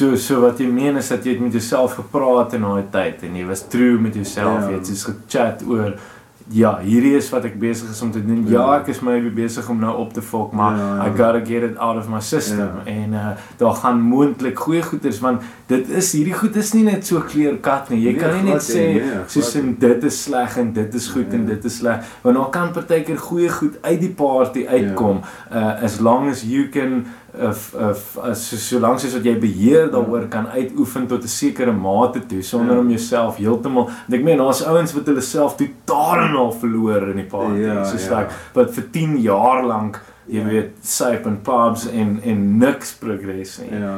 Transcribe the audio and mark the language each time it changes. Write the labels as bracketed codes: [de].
[af] So wat jy meen is dat jy het met jouself gepraat in daai tyd en jy was true met jouself, jy het soos gechat oor ja, hierdie is wat ek besig is om te doen. Ja, ek is maybe besig om nou op te fok, maar [en] I gotta get it out of my system. Yeah. [af] En daar gaan moontlik goeie goeders, want dit is, hierdie goed is nie net so clear cut nie. Jy kan nie net sê, soos in dit is sleg en dit is goed en dit is sleg. Want daar kan partykeer goeie goed uit die party uitkom, [en] as long as you can... [af] solang soos wat jy beheer daaroor kan uitoefen tot 'n sekere mate toe, sonder om jouself heeltemal, ek meen, daar's ouens wat hulle self totaal en al verloor in die party, wat vir 10 jaar lank, jy weet, sype en pubs en niks progress nie.